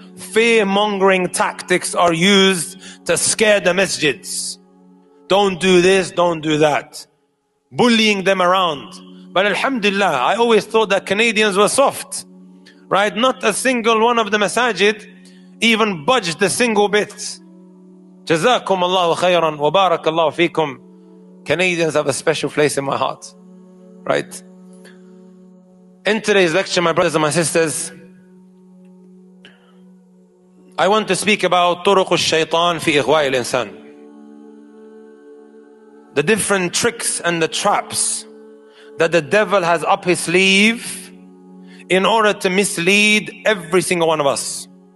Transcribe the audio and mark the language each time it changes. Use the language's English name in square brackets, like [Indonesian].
[English] Fear-mongering tactics are used to scare the masjids. Don't do this, don't do that. Bullying them around. But alhamdulillah, I always thought that Canadians were soft. Right? Not a single one of the masajid even budged a single bit. [Arabic] جزاكم الله خيرا وبارك الله فيكم. [English] Canadians have a special place in my heart. Right? In today's lecture, my brothers and my sisters, I want to speak about [Arabic] طرق الشيطان في إغواء الإنسان. [English] The different tricks and the traps that the devil has up his sleeve in order to mislead every single one of us.